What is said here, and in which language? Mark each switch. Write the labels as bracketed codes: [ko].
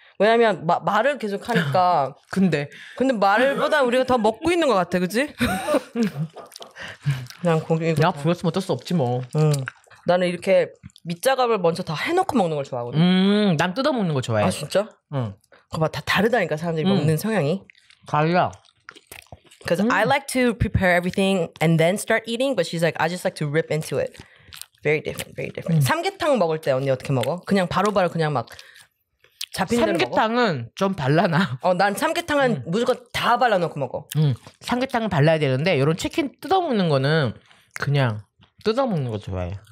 [ko] 왜냐면 말을 계속 하니까. 근데 말보다 우리가 더 먹고 있는 것 같아, 그렇지? 그냥 고기. 내가 부렸으면 어쩔 수 없지 뭐. 나는 이렇게 밑자갑을 먼저 다 해놓고 먹는 걸 좋아하거든. 난 뜯어 먹는 거 좋아해. 아 진짜? 그거 봐, 다 다르다니까 사람들이 먹는 성향이. 달라. [en] Because I like to prepare everything and then start eating, but she's like, I just like to rip into it. Very different, very different. [ko] 삼계탕 먹을 때 언니 어떻게 먹어? 그냥 바로바로 그냥 막. 삼계탕은 먹어? 좀 발라놔. 난 삼계탕은 무조건 다 발라놓고 먹어. 삼계탕은 발라야 되는데 이런 치킨 뜯어먹는 거는 그냥 뜯어먹는 거 좋아해.